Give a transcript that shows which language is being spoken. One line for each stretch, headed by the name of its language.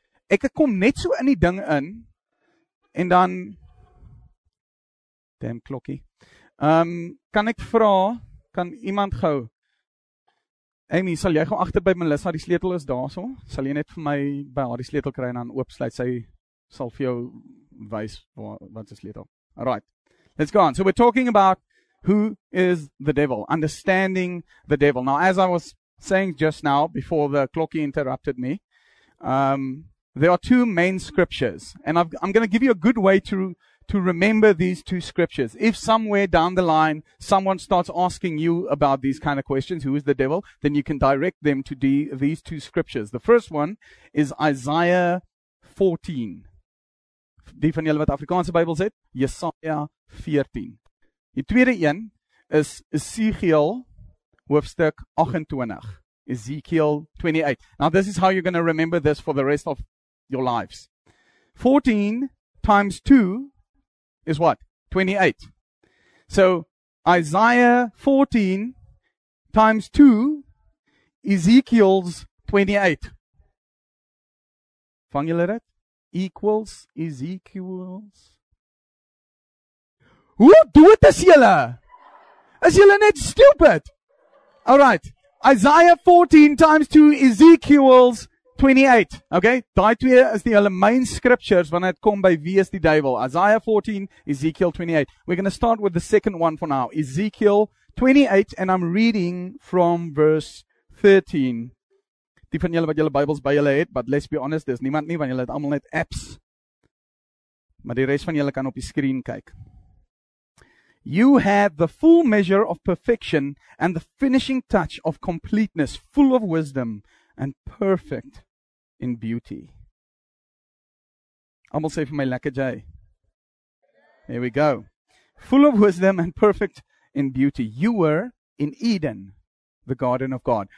Afrikaans: Ek kom net so in die ding in, en dan, damn klokkie, kan ek vra, kan iemand gou, Amy, sal jy gaan achter by Melissa, die sleutel is daar so, sal jy net vir my by haar die sleutel kry en dan oopsluit, sy sal vir jou wys wat is sleutel.
English: Alright, let's go on. So we're talking about who is the devil, understanding the devil. Now as I was saying just now, before the clocky interrupted me, there are two main scriptures, and I'm going to give you a good way to remember these two scriptures. If somewhere down the line, someone starts asking you about these kind of questions, who is the devil, then you can direct them to these two scriptures. The first one is Isaiah 14.
Afrikaans: Die van julle wat Afrikaanse Bybel sê, Jesaja 14. Die tweede een is Ezekiel hoofstuk 28. Ezekiel 28.
English: Now this is how you're going to remember this for the rest of your lives. 14 times 2 is what? 28. So, Isaiah 14 times 2, Ezekiel's 28.
Afrikaans: Vang julle dit?
English: Equals Ezekiel's.
Afrikaans: Hoe dood is julle? Is julle net stupid? Alright.
English: Isaiah 14 times 2, Ezekiel's 28, okay?
Afrikaans: Die twee is die hele
English: main scriptures when it come
Afrikaans: by wie is die duivel.
English: Isaiah 14, Ezekiel 28. We're going to start with the second one for now. Ezekiel 28, and I'm reading from verse 13.
Afrikaans: Die van julle wat julle Bibles by julle het,
English: but let's be honest, there's
Afrikaans: niemand nie, want julle het allemaal net apps. Maar die rest van julle kan op die screen kyk.
English: You have the full measure of perfection and the finishing touch of completeness, full of wisdom, and perfect in beauty.
Afrikaans: Almal sê vir my lekker jy.
English: There we go. Full of wisdom and perfect in beauty. You were in Eden the garden of God.